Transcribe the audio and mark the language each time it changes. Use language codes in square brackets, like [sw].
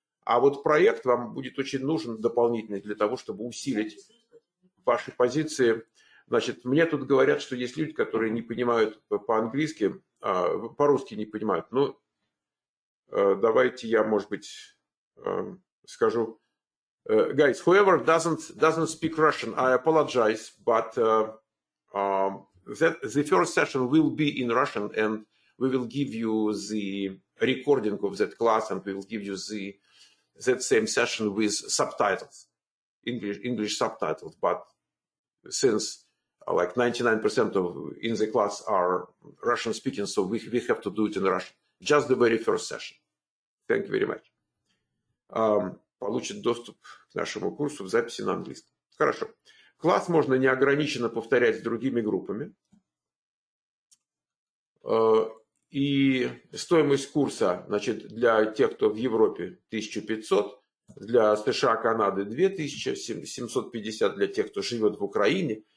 [ru] А вот проект вам будет очень нужен дополнительный для того, чтобы усилить ваши позиции. Значит, мне тут говорят, что есть люди, которые не понимают по-английски, по-русски не понимают. Ну, давайте я, может быть, скажу. [en] Guys, whoever doesn't speak Russian, I apologize, but... The first session will be in Russian, and we will give you the recording of that class, and we will give you that same session with subtitles, English subtitles. But since like 99% of in the class are Russian speaking, so we have to do it in Russian. Just the very first session. Thank you very much. [ru] Получит доступ к нашему курсу в записи на английском. Хорошо. Класс можно неограниченно повторять с другими группами. И стоимость курса, значит, для тех, кто в Европе, 1500, для США, Канады, 2750, для тех, кто живет в Украине,